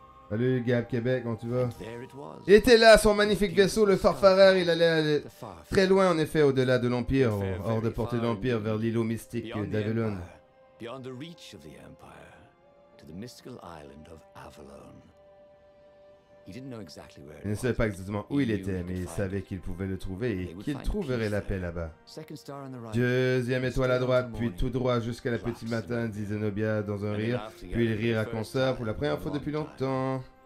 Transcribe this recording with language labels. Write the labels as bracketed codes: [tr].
[fr] Salut Gab Québec, comment tu vas? Il était là, son magnifique vaisseau, le Farfarer, il allait aller très loin en effet, au-delà de l'Empire, hors de portée de l'Empire, vers l'îlot mystique d'Avalon. [en] Beyond the reach of the Empire, to the mystical island of Avalon. [fr] Il ne savait pas exactement où il était, mais il savait qu'il pouvait le trouver et qu'il trouverait la paix là-bas. Deuxième étoile à droite, puis tout droit jusqu'à la petite matin, dit Zenobia dans un rire, puis il rira comme ça pour la première fois depuis longtemps.